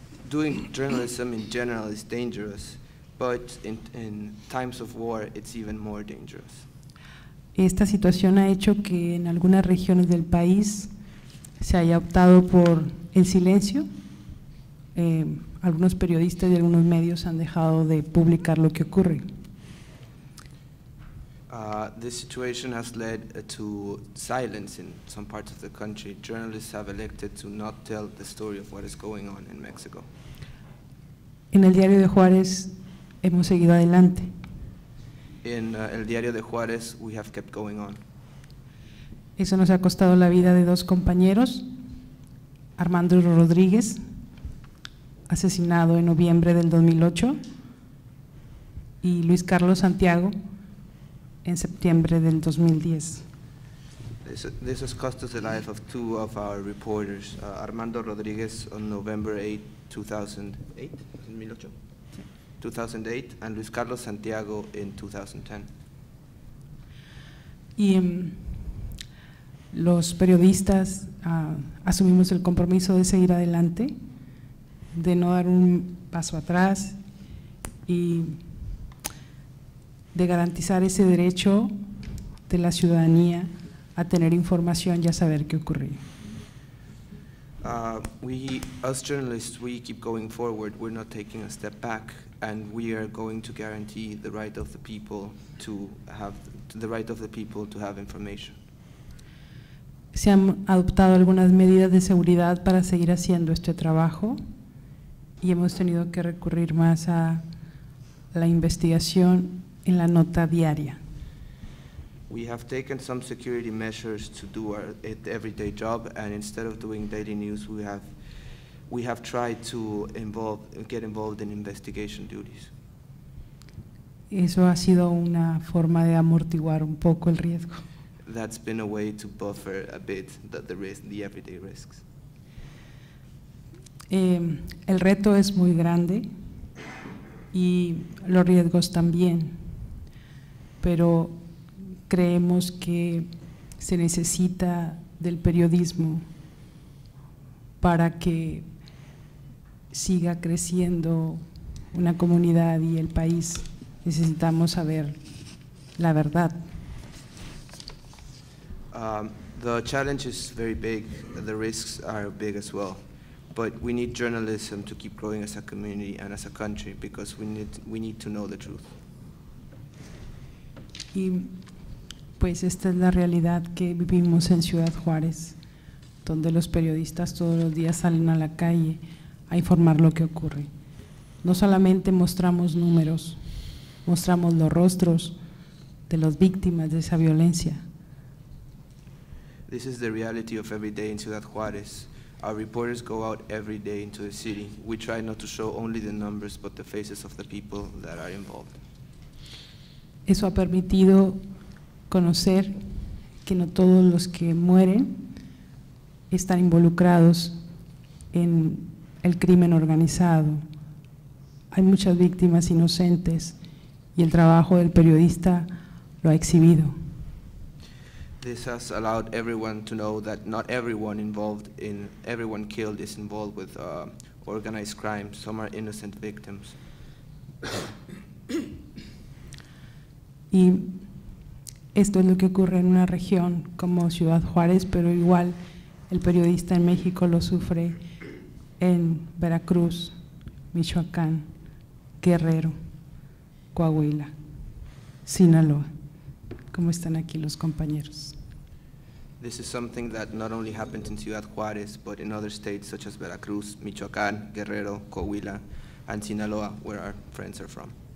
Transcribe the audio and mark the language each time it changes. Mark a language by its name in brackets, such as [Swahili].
[English] Doing journalism in general is dangerous, but in times of war, it's even more dangerous. [Spanish] Esta situación ha hecho que en algunas regiones del país se haya optado por el silencio. Algunos periodistas y algunos medios han dejado de publicar lo que ocurre. [English] This situation has led to silence in some parts of the country. Journalists have elected to not tell the story of what is going on in Mexico. [Spanish] En el diario de Juárez hemos seguido adelante. [English] In el diario de Juárez we have kept going on. [Spanish] Eso nos ha costado la vida de dos compañeros, Armando Rodríguez, asesinado en noviembre del 2008, y Luis Carlos Santiago en septiembre del 2010. [English] This has cost us the life of two of our reporters, Armando Rodríguez on November 8, 2008, and Luis Carlos Santiago in 2010. [Spanish] Y los periodistas asumimos el compromiso de seguir adelante, de no dar un paso atrás y de garantizar ese derecho de la ciudadanía a tener información y a saber qué ocurrió. [English] We, as journalists, we keep going forward. We're not taking a step back, and we are going to guarantee the right of the people to have the right of the people to have information. [Spanish] Se han adoptado algunas medidas de seguridad para seguir haciendo este trabajo, y hemos tenido que recurrir más a la investigación en la nota diaria. [English] We have taken some security measures to do our everyday job, and instead of doing daily news, we have tried to get involved in investigation duties. [Spanish] Eso ha sido una forma de amortiguar un poco el riesgo. [English] That's been a way to buffer a bit the everyday risks. [Spanish] El reto es muy grande y los riesgos también, pero creemos que se necesita del periodismo para que siga creciendo una comunidad y el país. Necesitamos saber la verdad. [English] The challenge is very big, the risks are big as well, but we need journalism to keep growing as a community and as a country, because we need to know the truth. [Spanish] Y pues esta es la realidad que vivimos en Ciudad Juárez, donde los periodistas todos los días salen a la calle a informar lo que ocurre. No solamente mostramos números, mostramos los rostros de las víctimas de esa violencia. [English] This is the reality of every day in Ciudad Juárez. Our reporters go out every day into the city. We try not to show only the numbers, but the faces of the people that are involved. [Spanish] Eso ha permitido conocer que no todos los que mueren están involucrados en el crimen organizado. Hay muchas víctimas inocentes y el trabajo del periodista lo ha exhibido. [English] This has allowed everyone to know that not everyone involved in everyone killed is involved with organized crime. Some are innocent victims. [Spanish] Y esto es lo que ocurre en una región como Ciudad Juárez, pero igual el periodista en México lo sufre en Veracruz, Michoacán, Guerrero, Coahuila, Sinaloa. ¿Cómo están aquí los compañeros? [English] This is something that not only happens in Ciudad Juárez, but in other states such as Veracruz, Michoacán, Guerrero, Coahuila, and Sinaloa, where our friends are from.